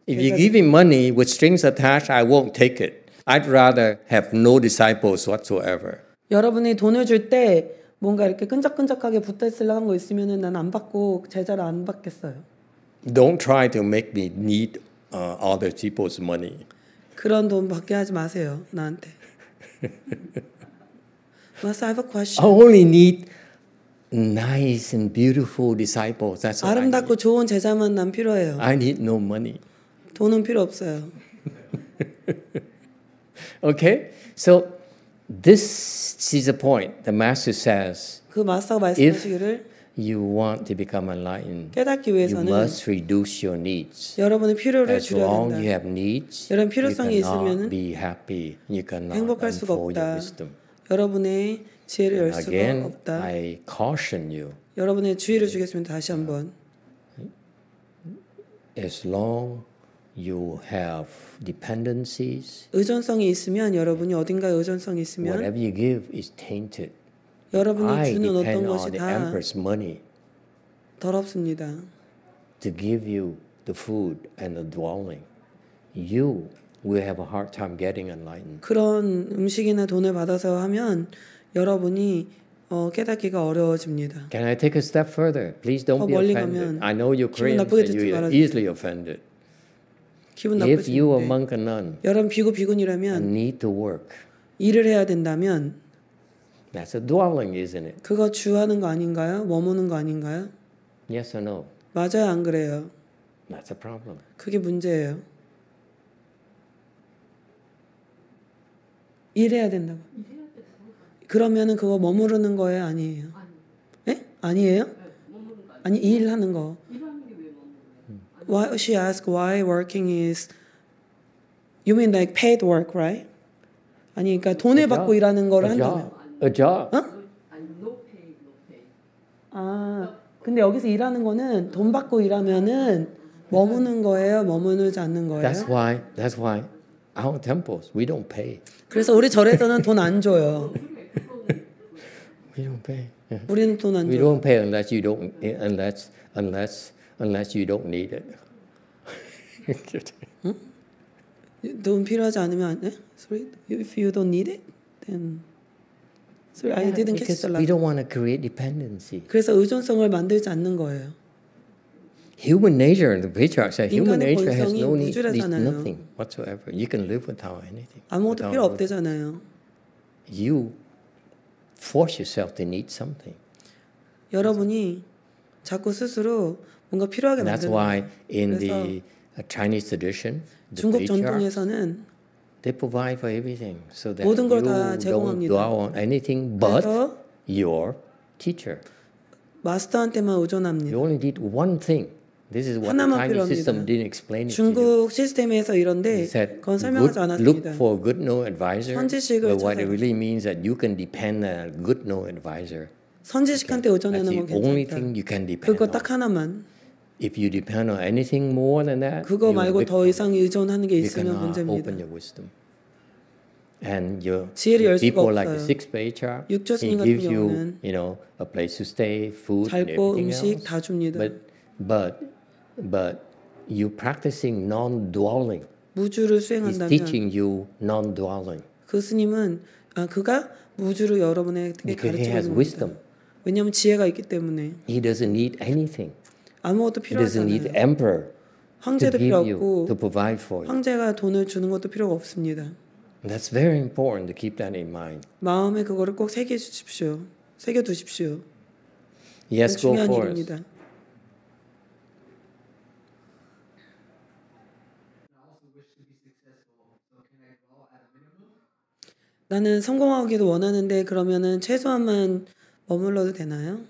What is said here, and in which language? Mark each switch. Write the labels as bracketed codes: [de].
[en] If you give me money with strings attached, I won't take it. I'd rather have no disciples whatsoever. [ko] 여러분이 돈을 줄 때 뭔가 이렇게 끈적끈적하게 붙어 있으려는 거 있으면은 난 안 받고 제자를 안 받겠어요. [en] Don't try to make me need other people's money. [ko] 그런 돈 받게 하지 마세요, 나한테. [en] But I have a question. I only need nice and beautiful disciples. That's all. [ko] 아름답고 [en] I need. [ko] 좋은 제자만 난 필요해요. [en] I need no money. [ko] 돈은 필요 없어요. [en] Okay? So this is the point the master says. [ko] 그 마스터가 말씀하시기를 [en] You want to become enlightened. You must reduce your needs. [ko] 여러분은 필요를 줄여야 된다. [en] As long you have needs, [ko] 여러분 필요성이 있으면 [en] be happy. You cannot [ko] 행복할 수가 없다. 여러분의 지혜를 열 수가 없다. [en] I caution you. [ko] 여러분의 주의를 주겠습니다. 다시 한번. [en] As long you have dependencies, [ko] 의존성이 있으면 여러분이 어딘가 의존성이 있으면 [en] whatever you give is tainted. [ko] 여러분이 주는 어떤 것이 다 더럽습니다. [en] To give you the food and the dwelling, you will have a hard time getting enlightened. [ko] 그런 음식이나 돈을 받아서 하면 여러분이 깨닫기가 어려워집니다. [en] Can I take a step further? Please don't be offended. I know you're Korean, so you're easily offended. [ko] 기분 나쁘지 [en] If you are monk or nun, [ko] 여러분 비구 비구니라면 [en] need to work. [ko] 일을 해야 된다면. [en] That's a dwelling, isn't it? [ko] 그거 주하는 거 아닌가요? 머무는 거 아닌가요? [en] Yes or no? [ko] 맞아요, 안 그래요? [en] That's a problem. [ko] 그게 문제예요. 일해야 된다고. 그러면은 그거 머무르는 거예요, 아니에요? 아니. 네? 아니에요? 아니 일하는 거. 일하는 게 왜 머무는 거예요? [en] Why she asked why working is? You mean like paid work, right? [ko] 아니, 그러니까 돈을 받고 일하는 거를 한다면. [en] A job. [ko] 어? [en] No pay. [ko] 아, 근데 여기서 일하는 거는 돈 받고 일하면은 머무는 거예요, 머무는지 않는 거예요? [en] That's why our temples we don't pay. [ko] 그래서 우리 절에서는 돈 안 줘요. [en] We don't pay. Yeah. [ko] 우리는 돈 안 줘요. [en] We don't pay unless you don't unless you don't need it. [ko] 응? 돈 필요하지 않으면 네? [en] Sorry, if you don't need it, then. So yeah, I didn't because catch the we don't want to create dependency. [ko] 그래서 의존성을 만들지 않는 거예요. [en] Human nature, the patriarch said, human nature has no need, nothing whatsoever. You can live without anything. [ko] 아무것도 필요 없대잖아요. [en] You force yourself to need something. [ko] 여러분이 자꾸 스스로 뭔가 필요하게 만드는 [en] That's why in the Chinese tradition, the [ko] 중국 전통에서는 [en] They provide for everything so that you don't dwell on anything but your teacher. [ko] 마스터한테만 의존합니다. [en] You only need one thing. This is what the Chinese system didn't explain it to you. [ko] 중국 시스템에서 이런데 그건 설명하지 않았습니다. [en] Look for a good know advisor. [ko] 선지식을 [en] But what it really means that you can depend on a good know advisor. [ko] 선지식한테 의존하는 건 괜찮다. [en] The only thing you can depend on. [ko] 딱 하나만. [en] If you depend on anything more than that, [ko] 그거 말고 더 이상 의존하는 게 있으면 문제입니다. [en] Open your wisdom. And your [ko] 지혜를 열 수가 [en] people [ko] 없어요. [en] Like the sixth patriarch, [ko] 육조스님 [en] he gives you, you know, a place to stay, food, [ko] 잘고 [en] and everything [ko] 음식 [en] else. [ko] 다 줍니다. [en] But you practicing non-dwelling. [ko] 무주를 수행한다면 [en] he's teaching you non-dwelling. [ko] 그 스님은 그가 무주를 여러분에게 가르치는 겁니다. [en] Because he has wisdom. [ko] 왜냐하면 지혜가 있기 때문에. [en] He doesn't need anything. [ko] 아무것도 필요하잖아요. 황제도 필요 없고 [en] to provide for you. [ko] 황제가 돈을 주는 것도 필요가 없습니다. [en] That's very important to keep that in mind. [ko] 마음에 그거를 꼭 새겨 주십시오. 새겨 두십시오. [en] Yes, [ko] 중요한 일입니다. [en] Course. [ko] 나는 성공하기도 원하는데 그러면은 최소한만 머물러도 되나요?